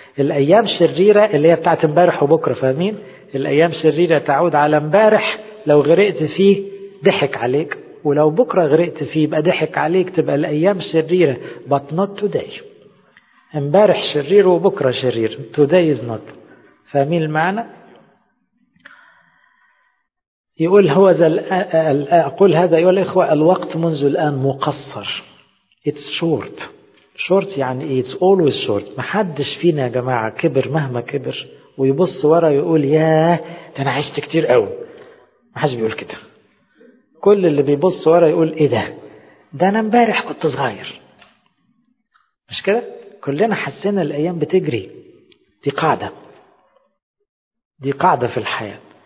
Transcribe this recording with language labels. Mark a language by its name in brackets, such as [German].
[Arabic] الأيام الشريرة اللي هي بتاعت مبارح وبكرة، فاهمين؟ الأيام الشريرة تعود على مبارح، لو غرقت فيه ضحك عليك، ولو بكرة غرقت فيه بقى ضحك عليك، تبقى الأيام شريرة. [English] But not today. [Arabic] مبارح شرير وبكرة شرير. [English] Today is not. [Arabic] فاهمين المعنى؟ يقول هو أقول هذا أيها الإخوة، الوقت منذ الآن مقصر. [English] It's short. Short يعني it's always short. [Arabic] محدش فينا يا جماعة كبر مهما كبر ويبص ورا يقول يا ده أنا عشت كتير قوي، محدش بيقول كده. كل اللي بيبص ورا يقول ايه ده انا امبارح كنت صغير، مش كده؟ كلنا حسينا الايام بتجري، دي قاعدة في الحياة.